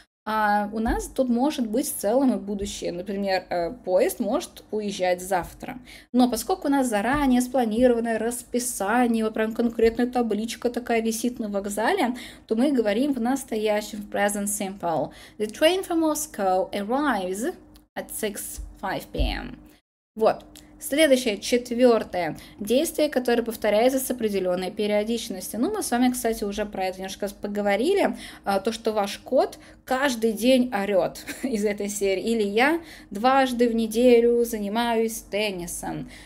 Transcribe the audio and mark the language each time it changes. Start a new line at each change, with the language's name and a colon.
Russian: А у нас тут может быть в целом и будущее. Например, поезд может уезжать завтра. Но поскольку у нас заранее спланированное расписание, вот прям конкретная табличка такая висит на вокзале, то мы говорим в настоящем, в present simple.
English: The train from Moscow arrives at 6:05 p.m.
Russian: Вот. Следующее, четвертое. Действие, которое повторяется с определенной периодичностью. Ну, мы с вами, кстати, уже про это немножко поговорили. То, что ваш кот каждый день орет из этой серии. Или я дважды в неделю занимаюсь теннисом.